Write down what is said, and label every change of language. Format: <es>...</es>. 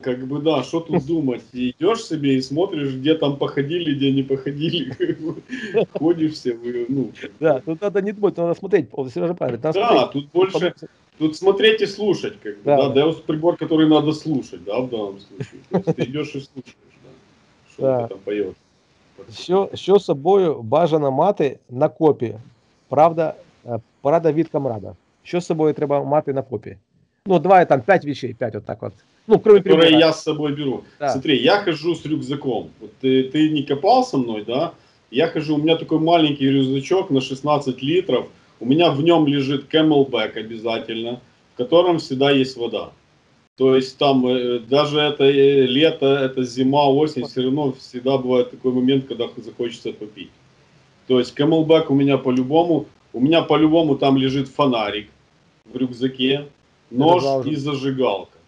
<ru>как бы, да, что тут думать. И идешь себе и смотришь, где там походили, где не походили. Ходишь себе, ну. Да, тут надо не думать, надо смотреть. Сережа правильно. Да, тут больше, тут смотреть и слушать, как бы, да. Деус прибор, который надо слушать, да, в данном случае. То есть ты идешь и слушаешь, да, что ты там поешь.</ru> <uk>Що собою бажано мати на копі? Правда, порада від комрада. Що собою треба мати на копі?</uk> <ru>Ну, давай там 5 вещей, 5 отак от. Ну, кроме прибора.</ru> <uk>Я з собою беру. Да.</uk> <ru>Смотри, я хожу з рюкзаком.</ru> <uk>От ти не копав</uk> <ru>со мной,</ru> <uk>да? Я хожу, у мене</uk> <ru>такой маленький</ru> <uk>рюкзачок на 16 літрів. У мене в ньому лежить</uk> <ru>Camelback обязательно, в котором всегда есть вода. То есть там даже это лето, это зима, осень, все равно всегда бывает такой момент, когда захочется попить. То есть Camelback у меня по-любому там лежит фонарик в рюкзаке, нож и зажигалка.</ru>